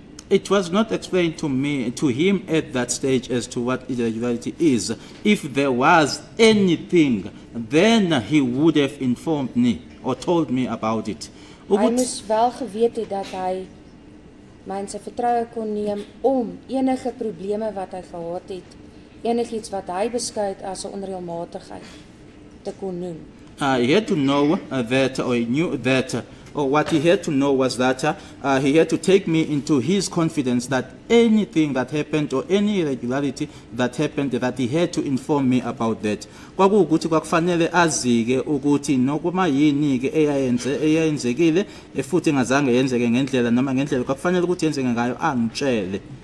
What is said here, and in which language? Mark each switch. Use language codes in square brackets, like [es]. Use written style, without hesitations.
[en] It was not explained to me, to him at that stage as to what irregularity is. If there was anything, then he would have informed me or told me about it. [af] Hy moes wel geweet het dat hy my in sy vertroue kon neem om enige probleme wat hy gehad het, enigiets wat hy beskou het as 'n onreëlmatigheid, te kon noem. [en] He had to know that, or he knew that, or what he had to know was that he had to take me into his confidence that anything that happened or any irregularity that happened, that he had to inform me about that. [zu] Kwakuwukuthi kwakufanele azike ukuthi nokuma yini-ke eyayenzekile futhi engazange yenzeke ngendlela noma ngendlela kwakufanele ukuthi yenzeke ngayo angitshele.